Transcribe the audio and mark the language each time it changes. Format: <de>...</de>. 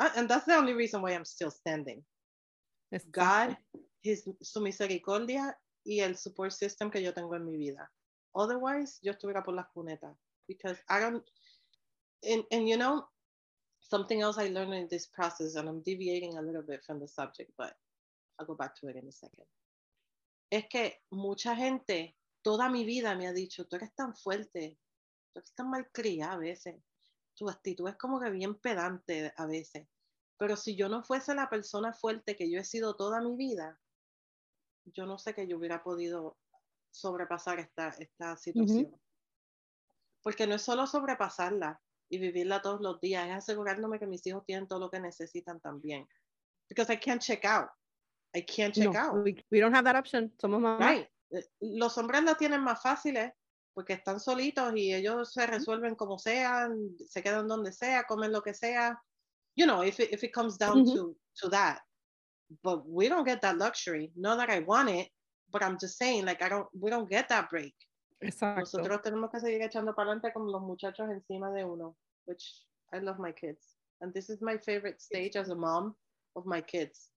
<en>And that's the only reason why I'm still standing. Exactly.</en> <es>God, su misericordia y el support system que yo tengo en mi vida. Otherwise, yo estuviera por las cunetas.</es> <en>Because I don't, and you know, something else I learned in this process, and I'm deviating a little bit from the subject, but I'll go back to it in a second.</en> <es>Es que mucha gente, toda mi vida me ha dicho, tú eres tan fuerte, tú eres tan malcriada a veces. Tu actitud es como que bien pedante a veces. Pero si yo no fuese la persona fuerte que yo he sido toda mi vida, yo no sé que yo hubiera podido sobrepasar esta situación. Porque no es solo sobrepasarla y vivirla todos los días, es asegurándome que mis hijos tienen todo lo que necesitan también.</es> <en>Because I can't check out. I can't check No, out. We don't have that option. Somos mamás. Right.</en> <es>Los hombres la tienen más fáciles porque están solitos y ellos se resuelven como sean, se quedan donde sea, comen lo que sea.</es> <en>You know, if it comes down to that. But we don't get that luxury. Not that I want it, but I'm just saying, like, we don't get that break.</en> <es>Exacto. Nosotros tenemos que seguir echando para adelante con los muchachos encima de uno, which I love my kids.</es> <en>And this is my favorite stage as a mom of my kids.</en>